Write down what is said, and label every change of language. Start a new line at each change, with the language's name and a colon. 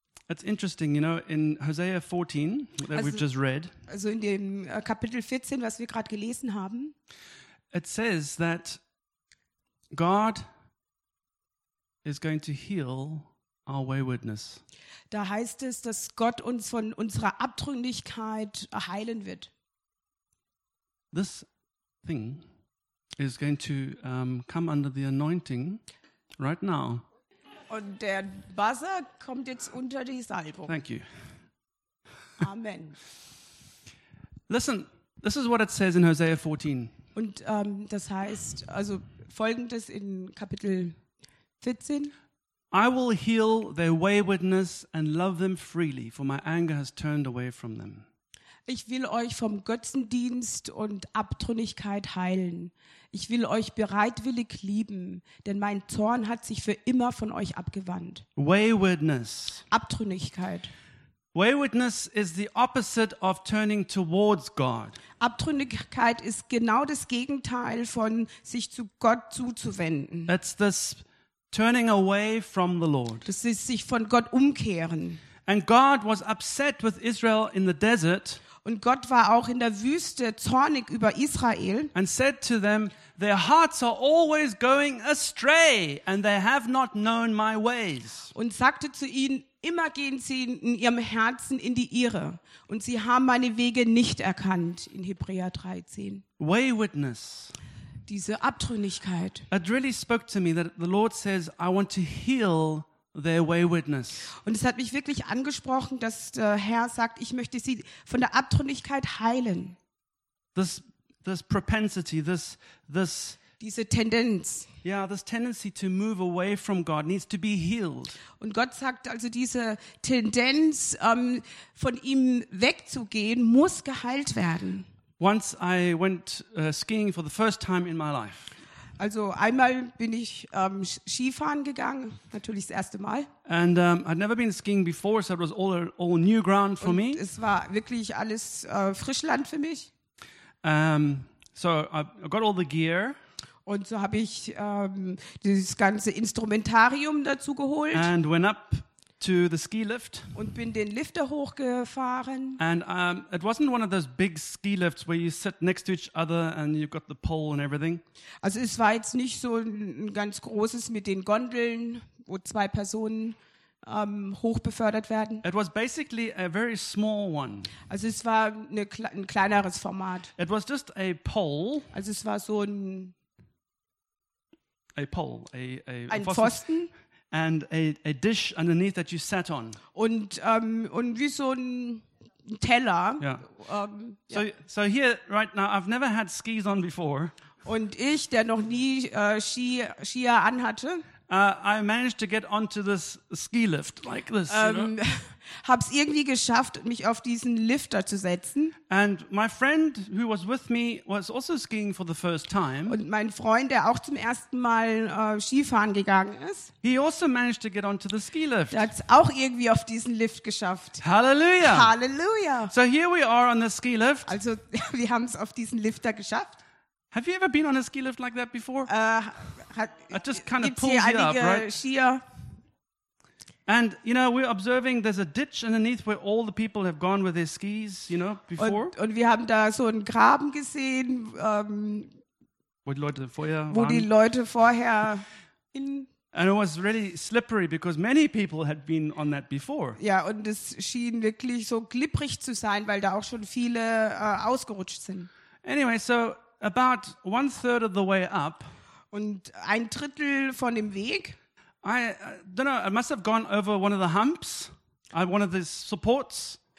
English: It's interesting, you know, in Hosea 14 that we've just read.
German: Also in dem Kapitel 14, was wir gerade gelesen haben.
English: It says that God is going to heal our waywardness.
German: Da heißt es, dass Gott uns von unserer Abtrünnigkeit heilen wird.
English: This thing is going to come under the anointing right now.
German: Und der Buzzer kommt jetzt unter die Salbung.
English: Thank you. Amen. Listen, this is what it says in Hosea 14.
German: Und das heißt, also folgendes in Kapitel 14.
English: I will heal their waywardness and love them freely, for my anger has turned away from them.
German: Ich will euch vom Götzendienst und Abtrünnigkeit heilen. Ich will euch bereitwillig lieben, denn mein Zorn hat sich für immer von euch abgewandt.
English: Waywardness.
German: Abtrünnigkeit.
English: Waywardness is the opposite of turning towards God.
German: Abtrünnigkeit ist genau das Gegenteil von sich zu Gott zuzuwenden.
English: It's this turning away from the Lord.
German: Das ist sich von Gott umkehren.
English: And God was upset with Israel in the desert.
German: Und Gott war auch in der Wüste zornig über Israel.
English: And said to them, their hearts are always going astray, and they have not known my ways.
German: Und sagte zu ihnen, immer gehen sie in ihrem Herzen in die Irre, und sie haben meine Wege nicht erkannt. In Hebräer 13.
English: Waywardness.
German: Diese Abtrünnigkeit.
English: It really spoke to me that the Lord says, I want to heal their waywardness.
German: Und es hat mich wirklich angesprochen, dass der Herr sagt, ich möchte sie von der Abtrünnigkeit heilen.
English: This propensity, this
German: diese Tendenz.
English: Yeah, this tendency to move away from God needs to be healed.
German: Und Gott sagt, also diese Tendenz von ihm wegzugehen muss geheilt werden.
English: Once I went skiing for the first time in my life.
German: Also einmal bin ich Skifahren gegangen, natürlich das erste Mal.
English: And I'd never been skiing before, so it was all new ground for me.
German: Es war wirklich alles Frischland für mich.
English: So I got all the gear.
German: Und so habe ich dieses ganze Instrumentarium dazu geholt.
English: And went up to the ski lift.
German: Und bin den Lifter hochgefahren.
English: And it wasn't one of those big ski lifts where you sit next to each other and you've got the pole and everything.
German: Also es war jetzt nicht so ein ganz großes mit den Gondeln, wo zwei Personen hochbefördert werden.
English: It was basically a very small one.
German: Also es war ein kleineres Format.
English: It was just a pole.
German: Also es war so ein Pfosten.
English: And a dish underneath that you sat on.
German: Und wie so ein Teller.
English: Yeah. So here right now I've never had skis on before.
German: Und ich, der noch nie Skier anhatte.
English: I managed to get onto this ski lift like this.
German: Hab's irgendwie geschafft, mich auf diesen Lifter zu setzen.
English: And my friend who was with me was also skiing for the first time.
German: Und mein Freund, der auch zum ersten Mal Skifahren gegangen ist.
English: He also managed to get onto the ski lift.
German: Der hat's auch irgendwie auf diesen Lift geschafft. Hallelujah. Hallelujah.
English: So here we are on the ski lift.
German: Also wir haben's auf diesen Lifter geschafft.
English: Have you ever been on a ski lift like that before? It just kind of pulls you up, right? Skier? And you know, we're observing there's a ditch underneath where all the people have gone with their skis, you know, before.
German: Und wir haben da so einen Graben gesehen, wo die Leute vorher waren. Wo die Leute vorher in.
English: And it was really slippery because many people had been on that before.
German: Ja, und es schien wirklich so glibbrig zu sein, weil da auch schon viele ausgerutscht sind.
English: Anyway, so about one third of the way up.
German: Und ein Drittel von dem Weg.
English: I don't know, I must have gone over one of the humps, one of the supports.